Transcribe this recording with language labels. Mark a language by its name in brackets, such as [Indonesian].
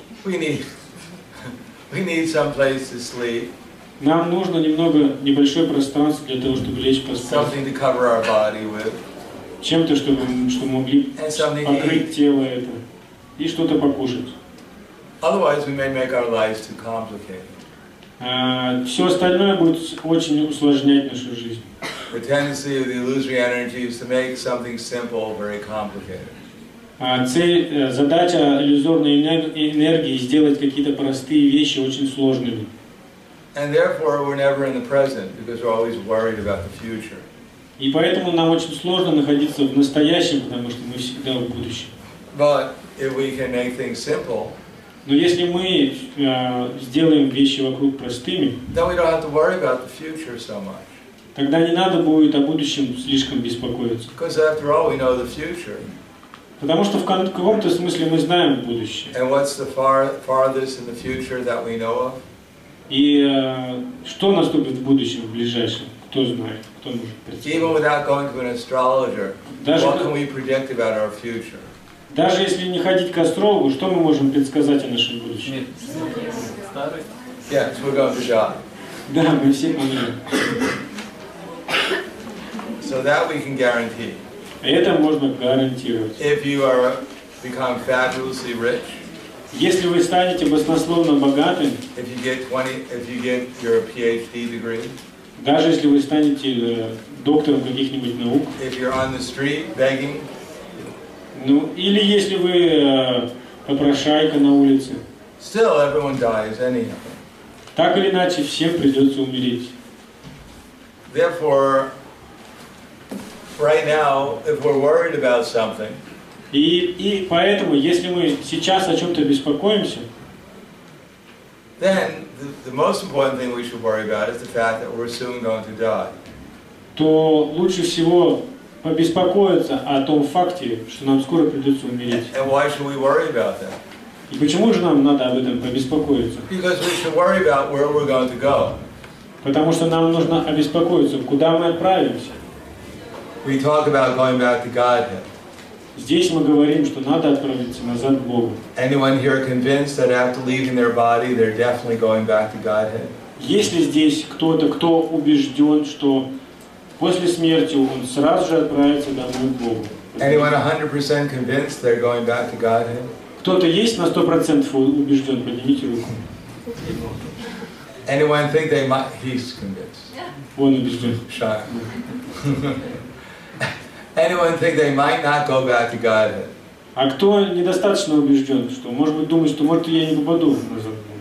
[English] We need some place to sleep. [Russian] Нам нужно немного небольшое пространство для того, чтобы лечь поспать. [English] Something to cover our body with. [Russian] Чем-то, чтобы могли покрыть тело это и что-то покушать. [English] Otherwise, we may make our lives too complicated. [Russian] Все остальное будет очень усложнять нашу жизнь. [English] The tendency of the illusory energy is to make something simple very complicated. [Russian] Задача иллюзорной энергии сделать какие-то простые вещи очень сложными. [English] And therefore we're never in the present because we're always worried about the future. [Russian] И поэтому нам очень сложно находиться в настоящем, потому что мы всегда в будущем. [English] But if we can make things simple, [Russian] но если мы сделаем вещи вокруг простыми, [English] then we don't have to worry about the future so much. [Russian] Тогда не надо будет о будущем слишком беспокоиться. [English] Because after all, we know the future. [Russian] Потому что в каком-то смысле мы знаем будущее. [English] And what's the farthest in the future that we know of? [Russian] И что наступит в будущем, в ближайшем? Кто знает? Кто может предсказать? [English] Even without going to an astrologer, [Russian] даже, [English] what can we predict about our future? [Russian] Даже если не ходить к астрологу, что мы можем предсказать о нашем будущем? Нет. Старый? [English] Yes, we're going to die. [Russian] Да, мы все умрем. [English] So that we can guarantee. [Russian] Это можно гарантировать. [English] If you are become fabulously rich. [Russian] Если вы станете баснословно богатым. [English] If you get 20, if you get your PhD degree. [Russian] Даже если вы станете доктором каких-нибудь наук. [English] If you're on the street begging. [Russian] Ну, или если вы попрошайка на улице. [English] Still, everyone dies anyhow. [Russian] Так или иначе, всем придется умереть. [English] Therefore, right now, if we're worried about something, [Russian] и поэтому, если мы сейчас о чем-то беспокоимся, [English] then the most important thing we should worry about is the fact that we're soon going to die. [Russian] То лучше всего побеспокоиться о том факте, что нам скоро придется умереть. [English] And why should we worry about that? [Russian] И почему же нам надо об этом побеспокоиться? [English] Because we should worry about where we're going to go. [Russian] Потому что нам нужно обеспокоиться, куда мы отправимся. [English] We talk about going back to Godhead. [Russian] Здесь мы говорим, что надо отправиться назад к Богу. [English] Anyone here convinced that after leaving their body, they're definitely going back to Godhead? [Russian] Есть ли здесь кто-то, кто убежден, что после смерти он сразу же отправится домой к Богу? [English] Anyone 100% convinced they're going back to Godhead? [Russian] Кто-то есть на 100% убежден? Поднимите руку. [English] Anyone think they might? He's convinced. [Russian] Он убежден. [English] Shy. Anyone think they might not go back to Godhead? [Russian] А кто недостаточно убежден, что может быть думает, что может я не попаду назад?